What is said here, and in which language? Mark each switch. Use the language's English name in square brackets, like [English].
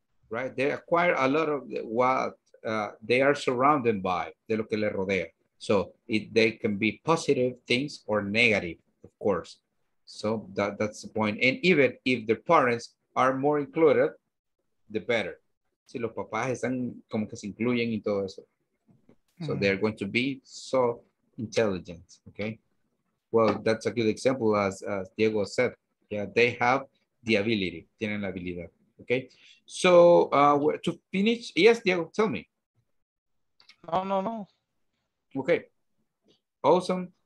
[English] Right, they acquire a lot of what they are surrounded by, [Spanish] de lo que le rodea. [English] So they can be positive things or negative, of course. So that's the point. And even if the parents are more included, the better. [Spanish] Si los papás están como que se incluyen y todo eso. [English] So they're going to be so intelligent, okay? Well, that's a good example, as Diego said. Yeah, they have the ability, [Spanish] tienen la habilidad. [English] Okay, so to finish, yes, Diego, tell me. No. Okay, awesome.